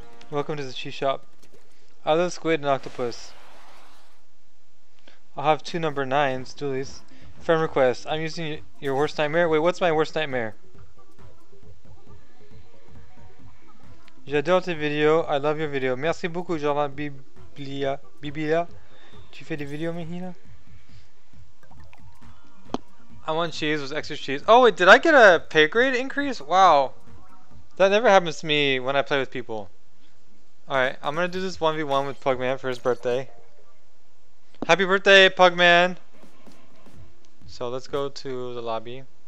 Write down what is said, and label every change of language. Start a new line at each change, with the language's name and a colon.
English: Welcome to the cheese shop. I love squid and octopus. I'll have two number nines, Julie's. Friend request, I'm using your worst nightmare. Wait, what's my worst nightmare?
French: J'adore tes vidéos,
English: I love your video.
French: Merci beaucoup, Jordan Biblia. Biblia, tu fais des vidéos, Mihina?
English: I want cheese with extra cheese. Oh, wait, did I get a pay grade increase? Wow. That never happens to me when I play with people. Alright, I'm gonna do this 1v1 with Pugman for his birthday. Happy birthday, Pugman! So let's go to the lobby.